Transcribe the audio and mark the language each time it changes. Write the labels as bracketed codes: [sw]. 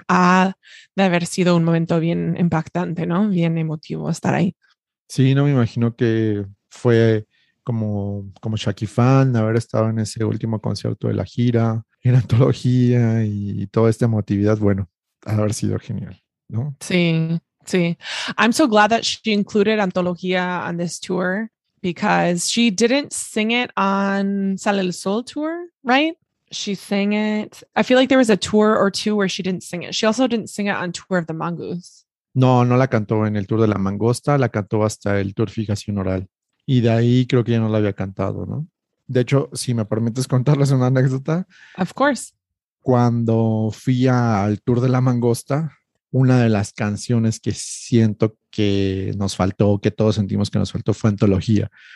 [es] Ha de haber sido un momento bien impactante, ¿no? Bien emotivo estar ahí. Sí, no me imagino que fue como Shaki fan, haber estado en ese último concierto de la gira, en Antología y toda esta emotividad. Bueno, ha de haber sido genial, ¿no? Sí, sí. [en] I'm so glad that she included Antología on this tour. Because she didn't sing it on Sale el Sol tour, right? She sang it. I feel like there was a tour or two where she didn't sing it. She also didn't sing it on Tour of the Mongoose. [es] No, no la cantó en el Tour de la Mangosta. La cantó hasta el Tour Fijación Oral. Y de ahí creo que ya no la había cantado, ¿no? De hecho, si me permites contarles una anécdota. [en] Of course. [es] Cuando fui al Tour de la Mangosta, una de las canciones que siento que nos faltó, que todos sentimos que nos faltó, fue Antología.